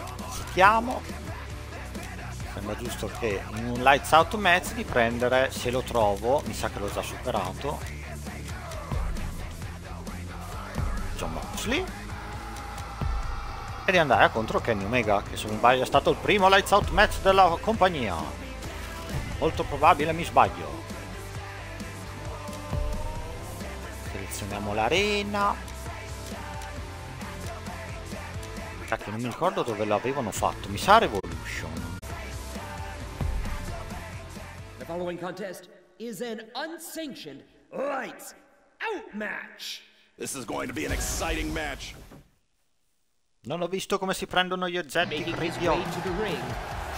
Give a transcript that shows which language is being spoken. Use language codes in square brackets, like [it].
[it] sappiamo, sembra giusto che in un Lights Out Match di prendere, se lo trovo, mi sa che l'ho già superato, John Moxley, e di andare contro Kenny Omega, che se non sbaglio è stato il primo Lights Out Match della compagnia. Molto probabile mi sbaglio. Selezioniamo l'arena. Cacchio, non mi ricordo dove l'avevano fatto, mi sa Revolution. [en] The following contest is an unsanctioned Lights Out Match. This is going to be an exciting match. [it] Non ho visto come si prendono gli oggetti, Ridio.